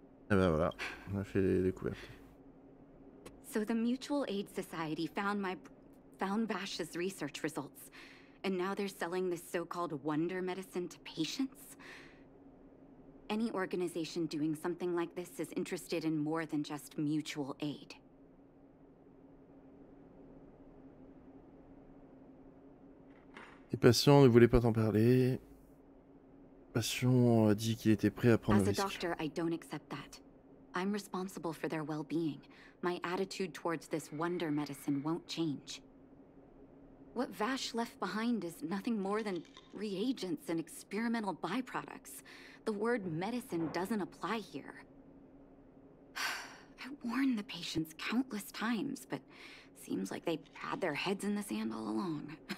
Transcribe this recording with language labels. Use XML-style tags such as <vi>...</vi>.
<fr>Et ben voilà, on a fait les découvertes.</fr> <en>So the Mutual Aid Society found Vash's research results, and now they're selling this so-called wonder medicine to patients. Any organization doing something like this is interested in more than just mutual aid.</en> <fr>Les patients ne voulaient pas t'en parler. Patient a dit qu'il était prêt à prendre le risque.</fr> <en>As a doctor, I don't accept that. I'm responsible for their well-being. My attitude towards this wonder medicine won't change. What Vash left behind is nothing more than reagents and experimental byproducts. The word medicine doesn't apply here. I warned the patients countless times, but seems like they had their heads in the sand all along.</en>